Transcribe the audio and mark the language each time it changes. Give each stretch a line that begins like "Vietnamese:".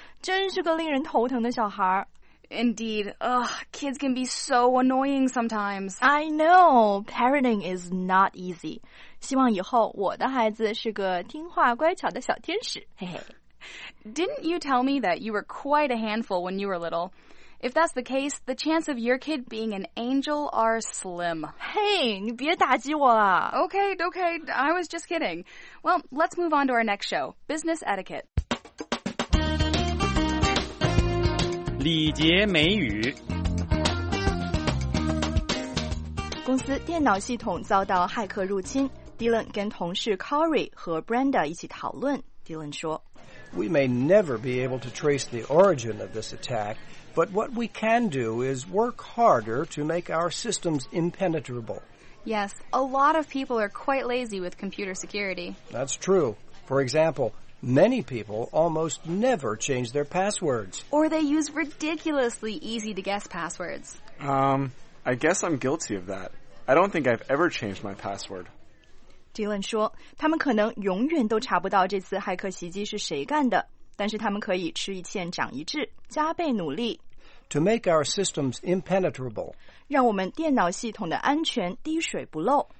Chinese: 真是个令人头疼的小孩。
English: Indeed. Ugh, kids can be so annoying sometimes. I know. Parenting is not easy.
Chinese: 希望以后我的孩子是个听话乖巧的小天使。嘿嘿。
English: Didn't you tell me that you were quite a handful when you were little? If that's the case, the chance of your kid being an angel are slim.
Chinese: Hey, 你别打击我了。
English: Okay, I was just kidding. Well, let's move on to our next show, Business Etiquette.
Chinese: 礼节美语。公司电脑系统遭到骇客入侵， Dylan 跟同事 Corey 和 Brenda 一起讨论。Dylan 说，
English: We may never be able to trace the origin of this attack, but what we can do is work harder to make our systems impenetrable. Yes, a lot of people are quite lazy with computer security. That's true. For example,Many people almost never change their passwords. Or they use ridiculously easy-to-guess passwords. I guess I'm guilty of that. I don't think I've ever changed my password.
Chinese: Dylan 说，他们可能永远都查不到这次骇客袭击是谁干的，但是他们可以吃一堑长一智，加倍努力。
English: To make our systems impenetrable.
Chinese: 让我们电脑系统的安全滴水不漏。